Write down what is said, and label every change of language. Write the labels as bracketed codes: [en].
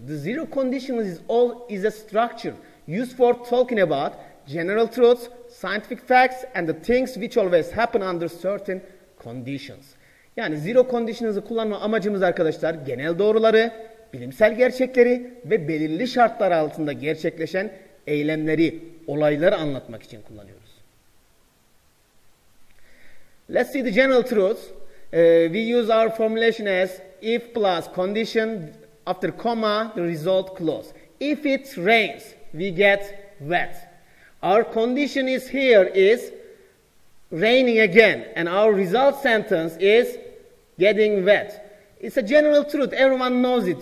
[en] The zero conditional is a structure used for talking about general truths, scientific facts and the things which always happen under certain conditions. [tr] Yani zero conditional'ı kullanma amacımız arkadaşlar genel doğruları, bilimsel gerçekleri ve belirli şartlar altında gerçekleşen eylemleri, olayları anlatmak için kullanıyoruz. [en] Let's see the general truths. We use our formulation as if plus condition after comma the result clause. If it rains, we get wet. Our condition is here is raining again, and our result sentence is getting wet. It's a general truth. Everyone knows it.